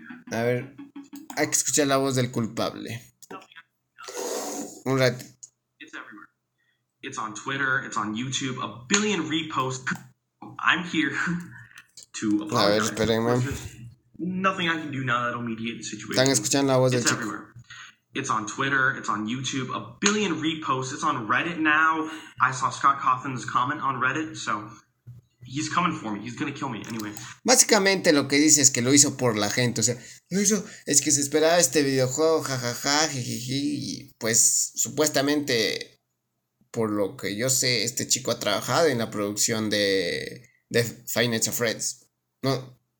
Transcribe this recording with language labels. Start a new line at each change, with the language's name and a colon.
Spanish: A ver, hay que escuchar la voz del culpable. Un rato.
English: It's everywhere. It's on Twitter, it's on YouTube, a billion reposts. I'm here to apologize.
Spanish: A ver, espérenme.
English: Nothing I can do now that'll mediate the situation.
Spanish: Están escuchando la voz del chico.
English: It's on Twitter, it's on YouTube, a billion reposts, it's on Reddit now. I saw Scott Cawthon's comment on Reddit, so... He's coming for me. He's gonna kill me anyway.
Spanish: Básicamente lo que dice es que lo hizo por la gente. O sea, lo hizo. Es que se esperaba este videojuego. Jajaja. Jijiji. Y pues supuestamente, por lo que yo sé, este chico ha trabajado en la producción de Five Nights at Freddy's. No.